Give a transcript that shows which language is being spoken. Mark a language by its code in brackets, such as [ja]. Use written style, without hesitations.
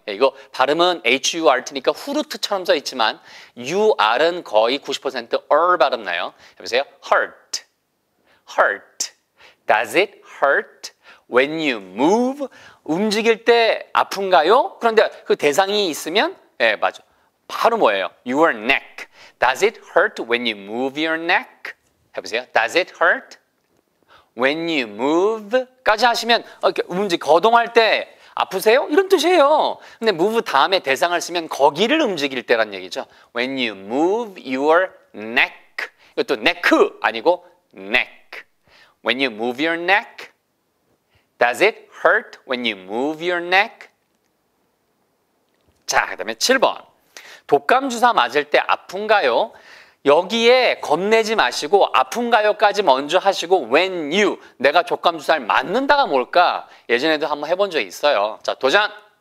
[ko] 이거 발음은 H-U-R-T니까 후르트처럼 써있지만 U-R은 거의 90% R 발음 나요. 해보세요. Hurt. Hurt. [en] Does it hurt when you move? [ko] 움직일 때 아픈가요? 그런데 그 대상이 있으면 예, 맞아. 바로 뭐예요? [en] Your neck. Does it hurt when you move your neck? [ko] 해보세요. [en] Does it hurt when you move? [ko] 까지 하시면 거동할 때 아프세요? 이런 뜻이에요. 근데 move 다음에 대상을 쓰면 거기를 움직일 때란 얘기죠. [en] When you move your neck. [ko] 이것도 neck 아니고 neck. [en] When you move your neck, does it hurt when you move your neck? [ko] 자, 그 다음에 7번. 독감 주사 맞을 때 아픈가요? 여기에 겁내지 마시고 아픈가요까지 먼저 하시고 when you, 내가 독감 주사를 맞는다가 뭘까? 예전에도 한번 해본 적이 있어요. 자, 도전!